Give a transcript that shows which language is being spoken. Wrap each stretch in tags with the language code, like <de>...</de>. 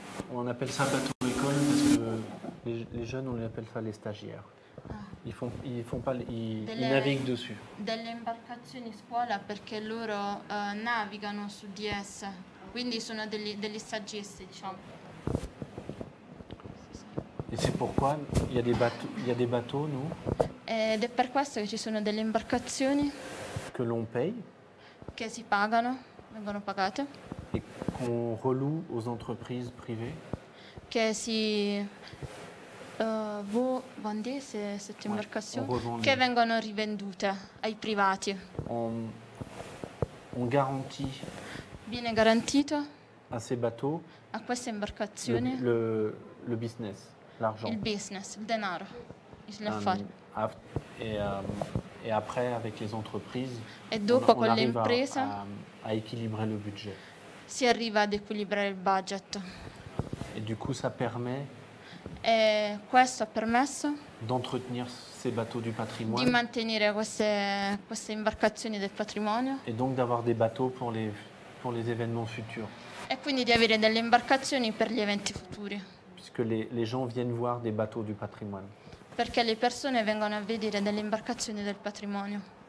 <fr>On appelle ça bateau école parce que les jeunes on les appelle ça les stagiaires. Ils naviguent dessus.</fr> <it>Delle imbarcazioni scuola perché loro navigano su di esse. Quindi sono degli, degli stagisti, diciamo.</it> <fr>Et c'est pourquoi il y a des bateaux, nous.</fr> <it>Ed è per questo che ci sono delle imbarcazioni</it> <fr>que l'on paye.</fr> <it>Che si pagano. Vengono pagate.</it> <fr>Et qu'on reloue aux entreprises privées.</fr> <it>Che si vendesse</it> <fr>cette</fr> <it>imbarcazione, che vengono rivendute ai privati.</it> <fr>On garantit.</fr> <it>Viene garantito</it> <fr>a ces bateaux.</fr> <it>A queste imbarcazioni.</it> <fr>Le business, l'argent.</fr> <it>Il business, il denaro, l'affare.</it> <fr>Et après avec les entreprises.</fr> <it>E dopo con le imprese.</it> <fr>À équilibrer le budget.</fr> <it>Si arriva ad equilibrare il budget.</it> <fr>Et du coup ça permet.</fr> <it>E questo ha permesso.</it> <fr>D'entretenir ces bateaux du patrimoine.</fr> <it>Di mantenere queste, queste imbarcazioni del patrimonio.</it> <fr>Et donc d'avoir des bateaux pour les événements futurs.</fr> <it>E quindi di avere delle imbarcazioni per gli eventi futuri.</it> <fr>Puisque les gens viennent voir des bateaux du patrimoine.</fr> <it>Perché le persone vengono a vedere delle imbarcazioni del patrimonio.</it>